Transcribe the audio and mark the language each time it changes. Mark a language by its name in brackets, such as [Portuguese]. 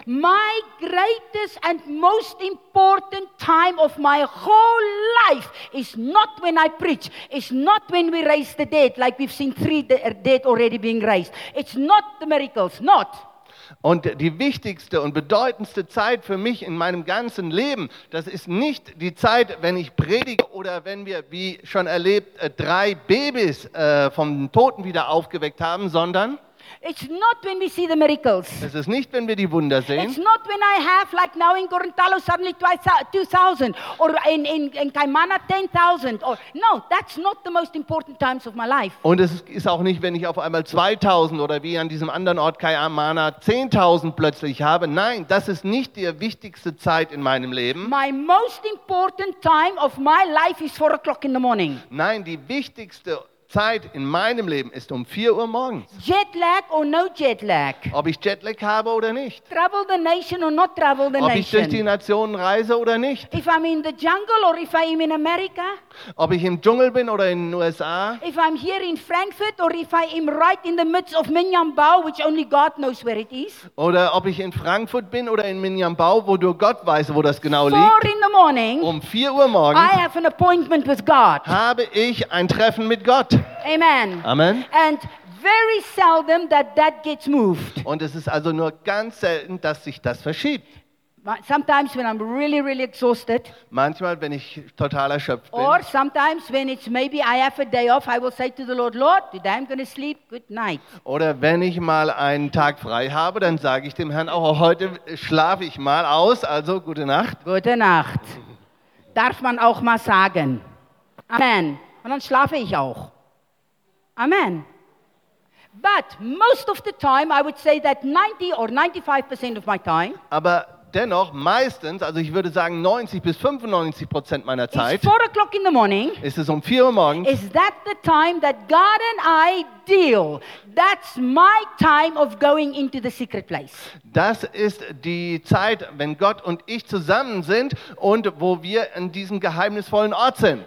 [English] My greatest and most important time of my whole life is not when I preach, is not when we raise the dead, like we've seen 3 dead already being raised. It's not the miracles, not. [German] Und die wichtigste und bedeutendste Zeit für mich in meinem ganzen Leben, das ist nicht die Zeit, wenn ich predige oder wenn wir, wie schon erlebt, 3 Babys vom Toten wieder aufgeweckt haben, sondern [English] it's not when we see the miracles. [German] Es ist nicht, wenn wir die Wunder sehen. [English] It's not when I have, like now in Gorontalo, suddenly 2,000 or in Kaimana 10,000. Or no, that's not the most important times of my life. [German] Und es ist auch nicht, wenn ich auf einmal 2,000 oder wie an diesem anderen Ort Kaimana 10,000 plötzlich habe. Nein, das ist nicht die wichtigste Zeit in meinem Leben. [English] My most important time of my life is 4 o'clock in the morning. [German] Nein, die wichtigste Zeit in meinem Leben ist um 4 Uhr morgens. [English] Jetlag or no jetlag. [German] Ob ich Jetlag habe oder nicht. [English] Travel the nation or not travel the nation. [German] Ob ich durch die Nationen reise oder nicht. [English] If I'm in the jungle or if I'm in America. [German] Ob ich im Dschungel bin oder in den USA. [English] If I'm here in Frankfurt or if I'm right in the midst of Minyanbao, which only God knows where it is. [German] Oder ob ich in Frankfurt bin oder in Minyanbao, wo nur Gott weiß, wo das genau liegt. [English] 4 in the morning. [German] Um 4 Uhr morgens. [English] I have an appointment with God. [German] Habe ich ein Treffen mit Gott. [English] Amen. [German] Amen. [English] And very seldom that gets moved. [German] Und es ist also nur ganz selten, dass sich das verschiebt. [English] Sometimes when I'm really, really exhausted. [German] Manchmal, wenn ich total erschöpft bin. [English] Or sometimes when it's maybe I have a day off, I will say to the Lord, Lord, today I'm going to sleep. Good night. [German] Oder wenn ich mal einen Tag frei habe, dann sage ich dem Herrn auch, heute schlafe ich mal aus. Also gute Nacht. Gute Nacht. Darf man auch mal sagen. Amen. Und dann schlafe ich auch. Amen. [English] But most of the time, I would say that 90 or 95% of my time. [German] Aber dennoch meistens, also ich würde sagen 90-95% meiner Zeit. [English] It's 4 o'clock in the morning. [German] Ist es um 4 Uhr morgens? [English] Is that the time that God and I deal? That's my time of going into the secret place. [German] Das ist die Zeit, wenn Gott und ich zusammen sind und wo wir in diesem geheimnisvollen Ort sind.